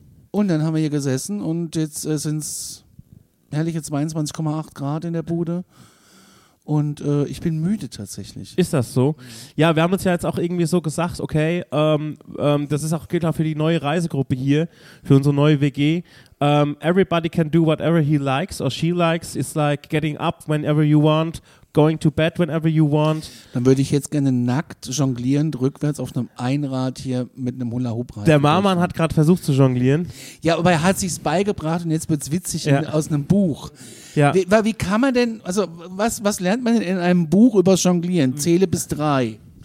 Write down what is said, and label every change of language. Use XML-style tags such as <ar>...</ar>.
<de>Und dann haben wir hier gesessen und jetzt sind es herrliche 22,8 Grad in der Bude. Und ich bin müde tatsächlich. Ist das so? Ja, wir haben uns ja jetzt auch irgendwie so gesagt, okay, das ist auch gilt auch für die neue Reisegruppe hier, für unsere neue WG.</de> <en>Everybody can do whatever he likes or she likes. It's like getting up whenever you want, going to bed whenever you want.</en> <de>Dann würde ich jetzt gerne nackt jonglierend rückwärts auf einem Einrad hier mit einem Hula-Hoop reiten. Der Marmann hat gerade versucht zu jonglieren. Ja, aber er hat sich's beigebracht und jetzt wird's witzig aus einem Buch. Ja. Wie kann man denn, also was lernt man denn in einem Buch über Jonglieren? Zähle bis drei.</de>